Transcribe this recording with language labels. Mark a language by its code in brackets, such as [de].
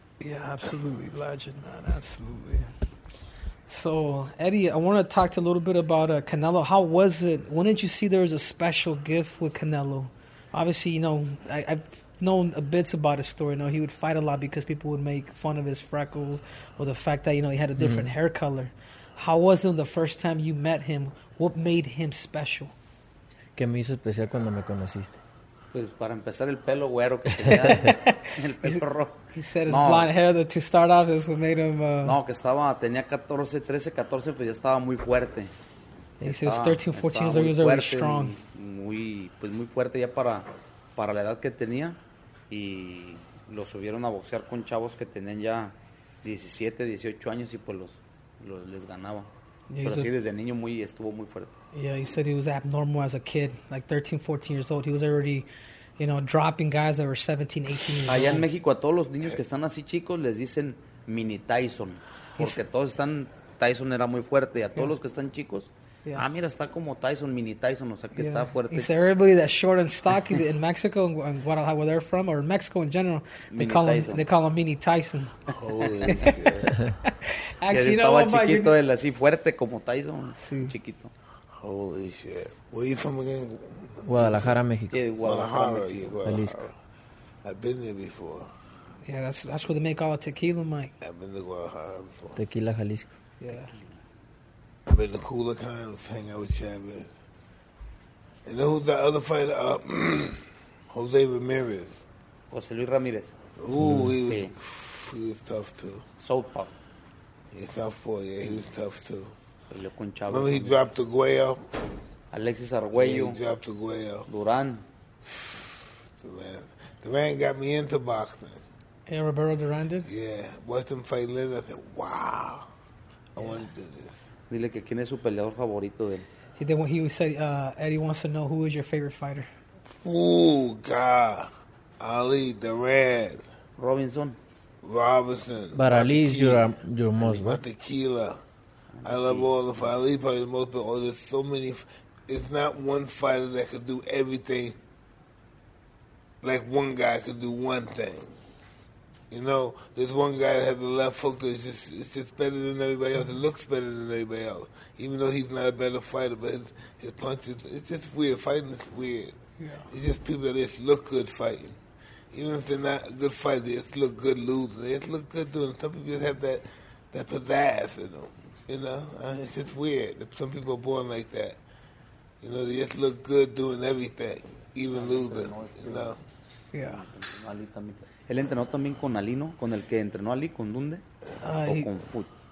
[en] Yeah, absolutely, legend, man, absolutely. So, Eddie, I want to talk to a little bit about Canelo. How was it? When did you see there was a special gift with Canelo? Obviously, you know, I've known a bits about his story. You know, he would fight a lot because people would make fun of his freckles or the fact that, you know, he had a different hair color. How was it the first time you met him? What made him special? [es] ¿Qué me hizo especial cuando me conociste? Pues para empezar el pelo güero que tenía, el pelo rojo. [en] He said his blonde hair that to start off is what made him... [es] que estaba, tenía 13, 14, pues ya estaba muy fuerte. [en] He said his 13, 14 years old, he was already strong. [es] Muy fuerte ya para la edad que tenía. Y lo subieron a boxear con chavos que tenían ya 17, 18 años y pues los les ganaba. Yeah, pero sí, desde niño estuvo muy fuerte. [en] Yeah, he said he was abnormal as a kid, like 13, 14 years old. He was already, you know, dropping guys that were 17, 18 years old. [es] Allá en México a todos los niños que están así chicos les dicen mini Tyson. Porque todos están, Tyson era muy fuerte. Y a todos los que están chicos, mira, está como Tyson, mini Tyson, o sea que está fuerte. [en] He said everybody that's short and stocky in Mexico and Guadalajara where they're from, or in Mexico in general, they call him mini Tyson. Holy shit. Actually, [es] estaba chiquito él, así fuerte como Tyson, chiquito. [en] Holy shit. Where are you from again? Guadalajara, Mexico. Yeah, Guadalajara, Mexico. Jalisco. I've been there before. Yeah, that's where they make all the tequila, Mike. I've been to Guadalajara before. Tequila, Jalisco. Yeah. I've been to Cooler Kind of hanging out with Chavez. And then who's the other fighter? Jose Ramirez. Jose Luis Ramirez. Ooh, he was tough too. Southpaw. Yeah, Southpaw, yeah, he was tough too. [es] Con Chavo. [en] Remember he dropped the Guayo? Alexis Arguello. He dropped the Guayo. Duran. Duran got me into boxing. Hey, Roberto Duran did? Yeah. Watched him fight later. I said, wow. I want to do this. [es] Dile que quién es su peleador favorito de él. [en] He said, Eddie wants to know who is your favorite fighter. Ooh, God. Ali, Duran. Robinson. But Ali is your most. What tequila. I love all the fighters. Ali probably the most, but there's so many. It's not one fighter that could do everything. Like one guy could do one thing. You know, there's one guy that has the left hook that's just better than everybody else. It looks better than everybody else. Even though he's not a better fighter, but his punches, it's just weird. Fighting is weird. Yeah. It's just people that just look good fighting. Even if they're not a good fighter, they just look good losing. They just look good doing it. Some people just have that pizzazz in them. You know, it's just weird. Some people are born like that. You know, they just look good doing everything, even losing, you know. Yeah. [es] ¿Él entrenó también con Ali, no? ¿Con el que entrenó Ali, con Dunde? ¿O con Fuchs?